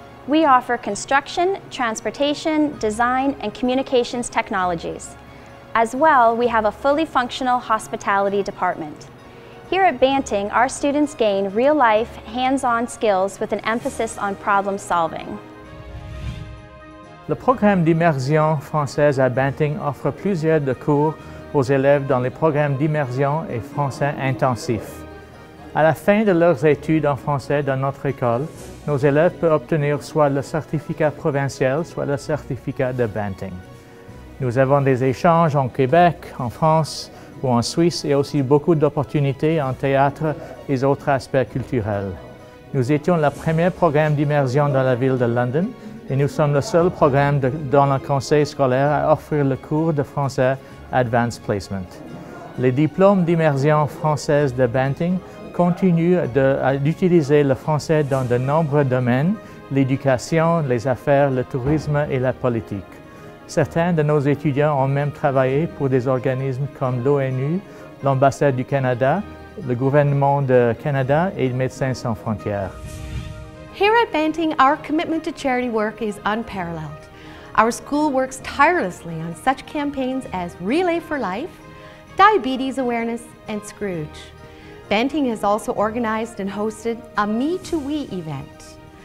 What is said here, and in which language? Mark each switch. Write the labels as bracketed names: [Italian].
[English] We offer construction, transportation, design, and communications technologies. As well, we have a fully functional hospitality department. Here at Banting, our students gain real-life, hands-on skills with an emphasis on problem-solving. [French] Le programme d'immersion française à Banting offre plusieurs de cours aux élèves dans les programmes d'immersion et français intensif. À la fin de leurs études en français dans notre école, nos élèves peuvent obtenir soit le certificat provincial, soit le certificat de Banting. Nous avons des échanges en Québec, en France ou en Suisse et aussi beaucoup d'opportunités en théâtre et autres aspects culturels. Nous étions le premier programme d'immersion dans la ville de London et nous sommes le seul programme dans le conseil scolaire à offrir le cours de français Advanced Placement. Les diplômes d'immersion française de Banting continue d'utiliser le français dans de nombreux domaines, l'éducation, les affaires, le tourisme et la politique. Certains de nos étudiants ont même travaillé pour des organismes comme l'ONU, l'Ambassade du Canada, le gouvernement du Canada et Médecins sans frontières. [English] Here at Banting, our commitment to charity work is unparalleled. Our school works tirelessly on such campaigns as Relay for Life, Diabetes Awareness, and Scrooge. Banting has also organized and hosted a Me to We event.